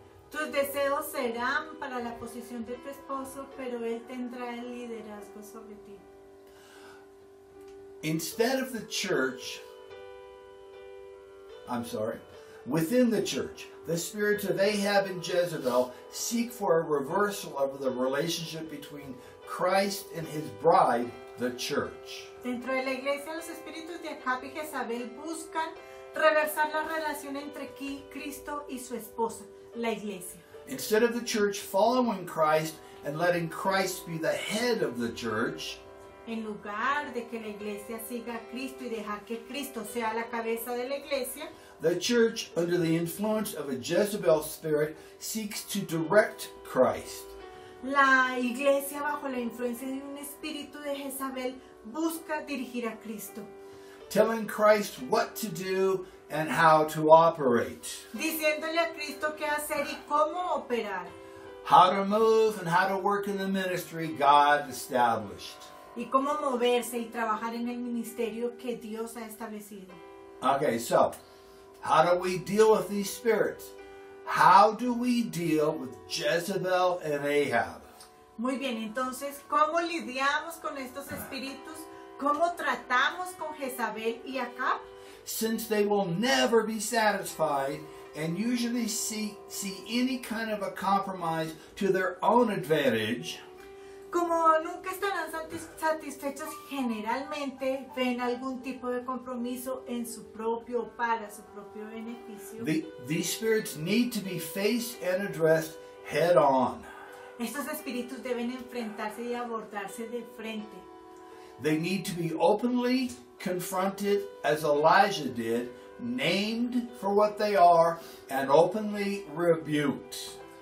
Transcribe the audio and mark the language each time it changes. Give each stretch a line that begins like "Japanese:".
Spanish: Tus deseos serán para la posición de tu esposo, pero él tendrá el liderazgo sobre ti.
English: Instead of the church, I'm sorry, within the church, the spirits of Ahab and Jezebel seek for a reversal of the relationship between Christ and his bride, the church.
Spanish: Dentro de la iglesia, los espíritus de Ahab y Jezabel buscan reversar la relación entre Cristo y su esposa, la iglesia.
English: Instead of the church following Christ and letting Christ be the head of the church,
Spanish: en lugar de que la iglesia siga a Cristo y dejar que Cristo sea la cabeza de la iglesia,
English: the church, under the influence of a Jezebel spirit, seeks to direct Christ.
Spanish: La iglesia, bajo la influencia de un espíritu de Jezabel, busca dirigir a Cristo.
English: Telling Christ what to do and how to operate.
Spanish: Diciéndole a Cristo qué hacer y cómo operar.
English: How to move and how to work in the ministry God established.
Spanish: Y cómo moverse y trabajar en el ministerio que Dios ha establecido.
English: Okay, so, how do we deal with these spirits? How do we deal with Jezebel and Ahab?
Spanish: Muy bien, entonces, ¿cómo lidiamos con estos espíritus? ¿Cómo tratamos con Jezabel y Ahab?
English: Since they will never be satisfied and usually see any kind of a compromise to their own advantage.
Spanish: Como nunca estarán satisfechos, generalmente ven algún tipo de compromiso en su propio o para su propio beneficio.
English: These spirits need to be faced and addressed head on.
Spanish: Estos espíritus deben enfrentarse y abordarse de frente.
English: They need to be openly confronted as Elijah did, named for what they are, and openly rebuked.